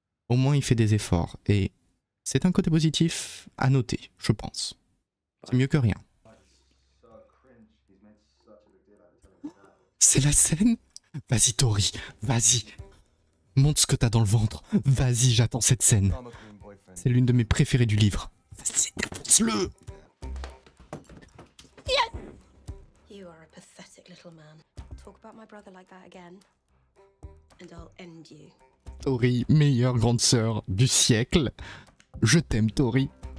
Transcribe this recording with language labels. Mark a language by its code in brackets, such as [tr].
[fr] Au moins, il fait des efforts. Et c'est un côté positif à noter, je pense. C'est mieux que rien. C'est la scène? Vas-y, Tori, vas-y. Montre ce que t'as dans le ventre. Vas-y, j'attends cette scène. C'est l'une de mes préférées du livre. Vas-y, défonce-le! [en] Yes! You are a pathetic little man. Talk about my brother like that again, and I'll end you. [fr] Tori, meilleure grande sœur du siècle. Je t'aime, Tori.